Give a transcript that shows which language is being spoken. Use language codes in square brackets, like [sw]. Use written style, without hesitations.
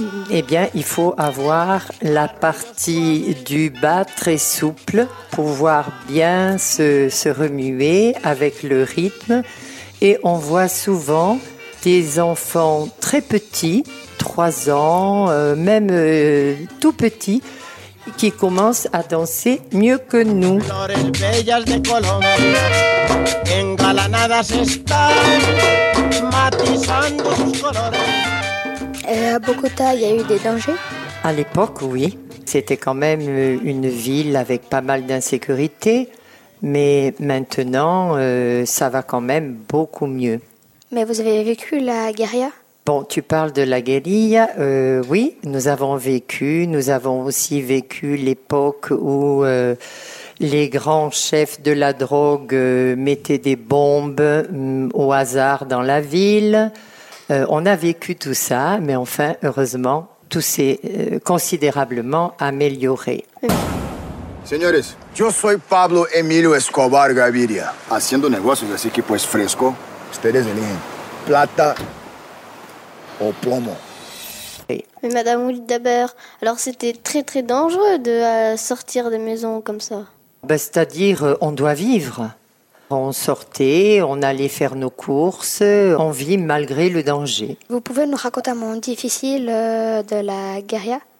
[fr] Eh bien, il faut avoir la partie du bas très souple, pouvoir bien se remuer avec le rythme. Et on voit souvent des enfants très petits, 3 ans, même tout petits, qui commencent à danser mieux que nous. [es] Flores bellas de Colombia, engalanadas están, matizando sus colores. [fr] À Bogota, il y a eu des dangers ? À l'époque, oui. C'était quand même une ville avec pas mal d'insécurité, mais maintenant, ça va quand même beaucoup mieux. Mais vous avez vécu la guérilla? Bon, tu parles de la guérilla, oui, nous avons vécu. Nous avons aussi vécu l'époque où les grands chefs de la drogue mettaient des bombes au hasard dans la ville. On a vécu tout ça, mais enfin, heureusement, tout s'est considérablement amélioré. [es] Señores, yo soy Pablo Emilio Escobar Gaviria. Haciendo negocios así que pues fresco, ustedes eligen plata o plomo. [fr] Mais madame Wildaber, alors c'était très très dangereux de sortir des maisons comme ça. C'est-à-dire, on doit vivre. On sortait, on allait faire nos courses, on vit malgré le danger. Vous pouvez nous raconter un moment difficile de la guérilla?